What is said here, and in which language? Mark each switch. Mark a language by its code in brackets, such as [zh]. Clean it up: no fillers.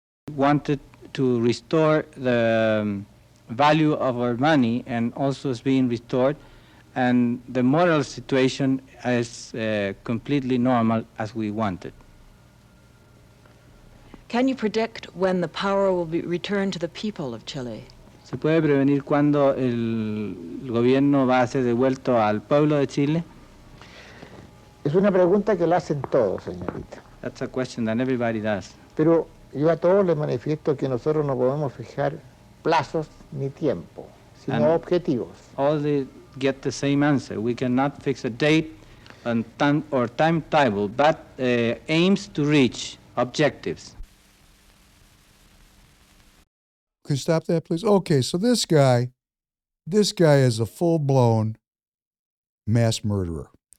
[en] Wanted to restore the value of our money, and also is being restored. And the moral situation is completely normal as we wanted. Can you predict when the power will be returned to the people of Chile? [es] ¿Se puede prevenir cuando el gobierno va a ser devuelto al pueblo de Chile? Es una pregunta que la hacen todos, señorita. [en] That's a question that everybody does. [es] Pero yo a todos les manifiesto que nosotros no podemos fijar plazos ni tiempo, sino [en] and [es] objetivos. [en] All they get the same answer. We cannot fix a date and or timetable, but aims to reach objectives. Can you stop that, please? Okay, so this guy is a full-blown mass murderer.